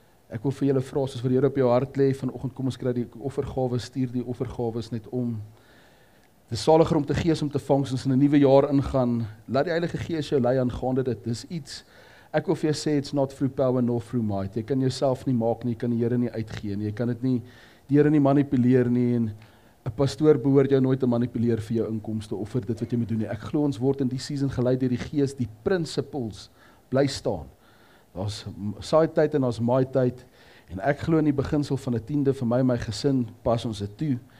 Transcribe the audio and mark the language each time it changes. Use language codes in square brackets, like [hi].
[af] Ek wil vir julle vra, soos wat die Here op jou hart lê vanoggend, kom ons kry die offergawe, stuur die offergawe net om. Dis saliger om te gee as om te vang, soos ons in 'n nuwe jaar ingaan. Laat die Heilige Gees jou lei aangaande dit. Dis iets, ek wil vir jou sê, [en] it's not through power nor through might. [af] Jy kan jouself nie maak nie, jy kan die Here nie uitgee nie, jy kan dit nie, die Here nie manipuleer nie, en 'n pastoor behoort jou nooit te manipuleer vir jou inkomste of vir dit wat jy moet doen nie. Ek glo ons word in die season gelei deur die Gees, die principles bly staan. Daar's saai tyd en daar's maai tyd, en ek glo in die beginsel van 'n tiende, vir my en my gesin pas ons dit toe.